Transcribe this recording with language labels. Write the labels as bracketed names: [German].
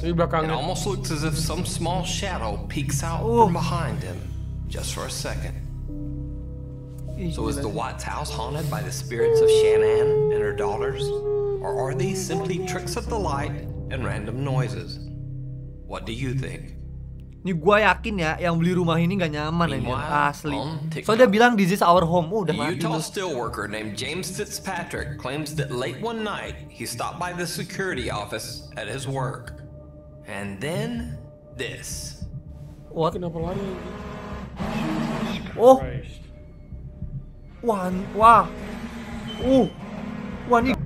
[Indonesian] di belakangnya. [English] It almost looks as if some small shadow peeks out from behind him, just for a second. So is the Watts house haunted by the spirits of Shannon and her daughters, or are these simply tricks of the light? And random noises. What do you think? [Indonesian] Ini gua yakin ya, yang beli rumah ini gak nyaman ini asli. So dia bilang [English] this is our home. [Indonesian] Oh, udah. [English] Utah steel worker named James Fitzpatrick claims that late one night he stopped by the security office at his work, and then this. What? [Indonesian] Kenapa lari? Oh. Wah. Wah ini.